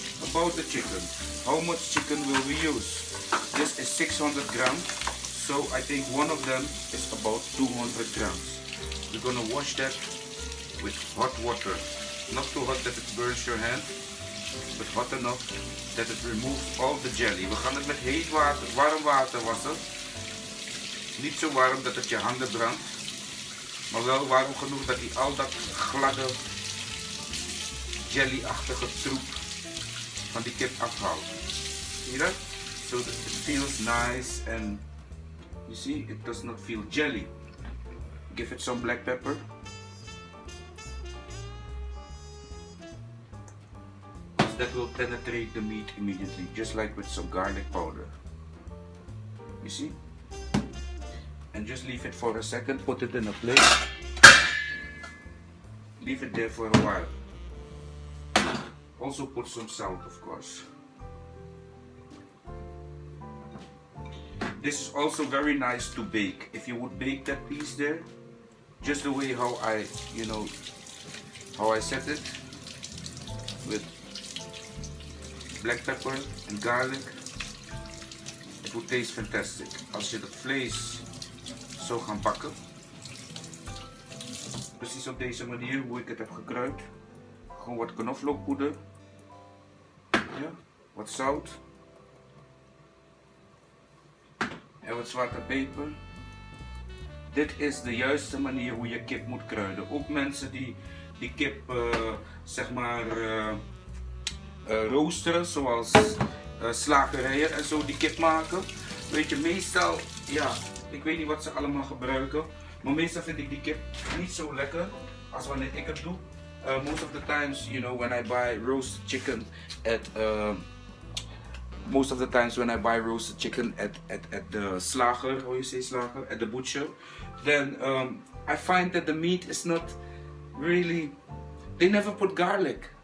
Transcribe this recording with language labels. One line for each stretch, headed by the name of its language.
English: About the chicken, how much chicken will we use? This is 600 grams, so I think one of them is about 200 grams. We're gonna wash that with hot water. Not too hot that it burns your hand, but hot enough that it removes all the jelly.
Dutch: We gaan het met heet water, warm water wassen. Niet zo warm dat het je handen brandt, maar wel warm genoeg dat hij al dat gladde jelly-achtige troep van die kip afhaalt. Zie je dat?
English: So that it feels nice and you see, it does not feel jelly. Give it some black pepper. That will penetrate the meat immediately, just like with some garlic powder. You see? And just leave it for a second, put it in a plate. Leave it there for a while. Also put some salt, of course. This is also very nice to bake. If you would bake that piece there, just the way how I, you know, how I set it with black pepper and garlic, it would taste fantastic.
Dutch: Als je dat vlees zo gaan bakken, precies op deze manier hoe ik het heb gekruid, gewoon wat knoflookpoeder, ja, wat zout en wat zwarte peper. Dit is de juiste manier hoe je kip moet kruiden. Ook mensen die die kip zeg maar roosteren, zoals slagerijen en zo die kip maken. Weet je, meestal, ja, ik weet niet wat ze allemaal gebruiken, maar meestal vind ik die kip niet zo lekker als wanneer ik het doe.
English: Most of the times, you know, when I buy roasted chicken at most of the times when I buy roasted chicken at the slager, how you say slager, at the butcher, then I find that the meat is not really, they never put garlic.